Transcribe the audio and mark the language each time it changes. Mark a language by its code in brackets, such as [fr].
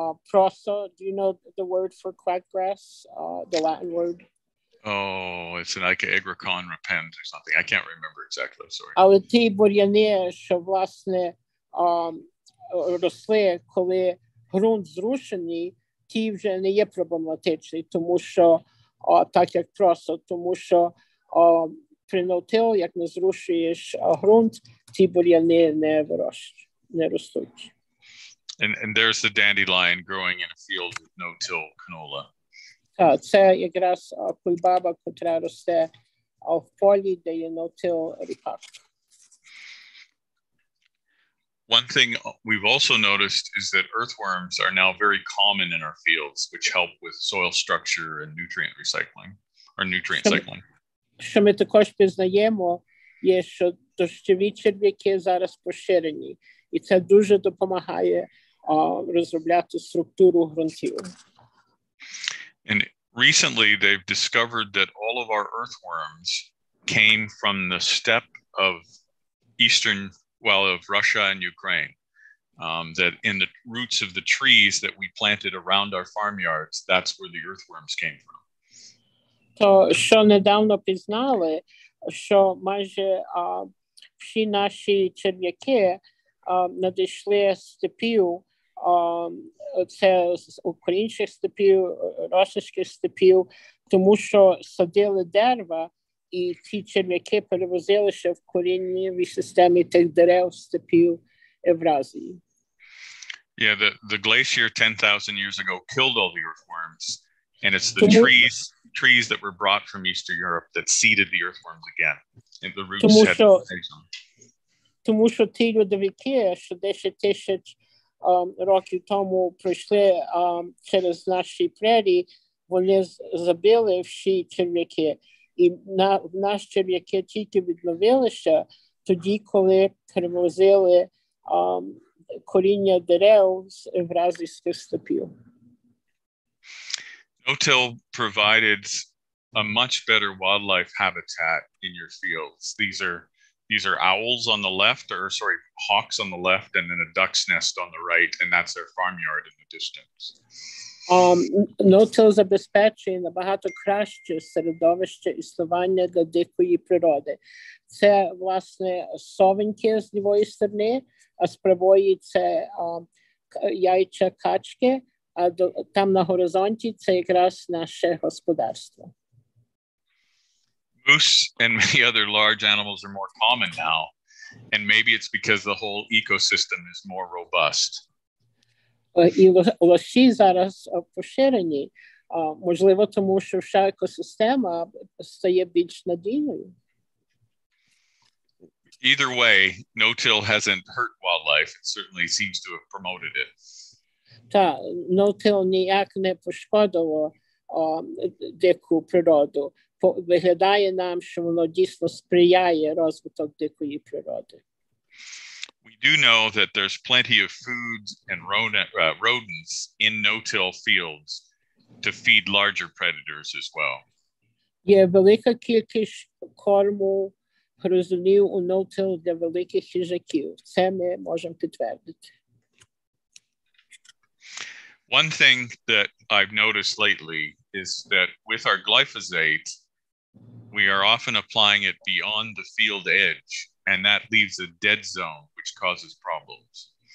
[en] Проса, do you know the word for quackgrass, the Latin word? Oh, it's like agricon repens or something. I can't remember exactly, sorry. [uk] Але ті бур'яни, що власне росли, коли ґрунт зрушений, ті вже не є проблематичні, тому що так як просто, тому що при no-till, як не зрушуєш ґрунт, ті бур'яни не вирощують. [en] And there's the dandelion growing in a field with no-till canola. [uk] Це якраз куйбаба, котра росте в полі, де є no-till ріпак. [en] One thing we've also noticed is that earthworms are now very common in our fields, which help with soil structure and nutrient recycling, or nutrient cycling. [uk] Що ми також пізнаємо, є, що дощові черв'яки зараз поширені. І це дуже допомагає розробляти структуру ґрунтів. [en] And recently they've discovered that all of our earthworms came from the steppe of of Russia and Ukraine. That in the roots of the trees that we planted around our farmyards, that's where the earthworms came from. [uk] То, що недавно пізнали, що майже всі наші черв'яки надійшли степів, це з українських степів, російських степів, тому що садили дерева, і ті черв'яки перевозилися в корінній системі тих дерев степів Євразії. [en] Yeah, the glacier 10,000 years ago killed all the earthworms, and it's the trees that were brought from Eastern Europe that seeded the earthworms again. And the roots [uk] тому [en] had [uk] що... Тому що ті льодовики, що 10 тисяч років тому пройшли через наші прерії, вони забили всі черв'яки. І наші черв'яки тільки відновилися тоді, коли перевозили коріння дерев з євразійських степів. [en] No-till provided a much better wildlife habitat in your fields. These are owls on the left, hawks on the left, and then a duck's nest on the right, and that's their farmyard in the distance. [uk] No-till забезпечує набагато краще середовище існування для дикої природи. Це, власне, совеньки з лівої сторони, а з правої це яйця качки, а там на горизонті це якраз наше господарство. [en] Moose and many other large animals are more common now, and maybe it's because the whole ecosystem is more robust. [uk] Лоші зараз поширені, можливо, тому що вся екосистема стає більш надійною. [en] Either way, no-till hasn't hurt wildlife. It certainly seems to have promoted it. [uk] Так, no-till ніяк не пошкодило дику природу. Виглядає нам, що воно дійсно сприяє розвиток дикої природи. [en] We do know that there's plenty of food and rodents in no-till fields to feed larger predators as well. [uk] Є велика кількість корму гризунів у no-till для великих хижаків. Це ми можемо підтвердити. [en] One thing that I've noticed lately is that with our glyphosate, we are often applying it beyond the field edge, and that leaves a dead zone, which causes problems.